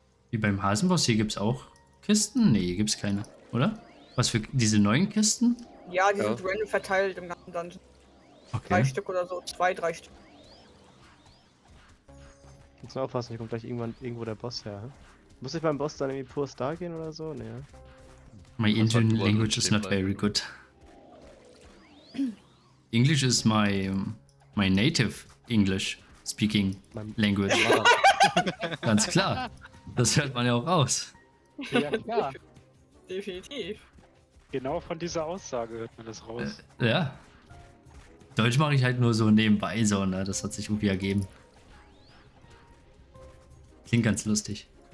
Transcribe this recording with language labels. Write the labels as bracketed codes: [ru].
[de] Wie beim Hasenboss, hier gibt's auch Kisten? Nee, hier gibt's keine, oder? Was für diese neuen Kisten? Ja, die sind random verteilt im ganzen Dungeon. Okay. Drei Stück oder so, zwei, drei Stück. Muss mal aufpassen, hier kommt gleich irgendwo der Boss her. Muss ich beim Boss dann irgendwie pur Star gehen oder so? Nee. [en] My Indian language is not very good. English is my native English speaking language. [de] Ganz klar. Das hört man ja auch raus. Ja, klar. Definitiv. Genau von dieser Aussage hört man das raus. Ja. Deutsch mache ich halt nur so nebenbei, so, ne? Das hat sich irgendwie ergeben. Klingt ganz lustig.